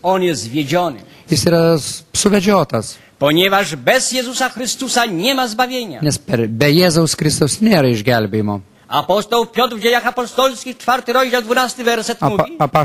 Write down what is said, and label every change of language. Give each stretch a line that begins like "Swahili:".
Polish: On jest zwiedziony.
Lithuanian: Jis yra suvedžiotas.
Polish: Ponieważ bez Jezusa Chrystusa nie ma zbawienia.
Lithuanian: Nes be Jezaus Chrystus nėra išgelbėjimo.
Polish: Apostoł Piotr w Dziejach Apostolskich, 4 rozdział, 12 werset mówi.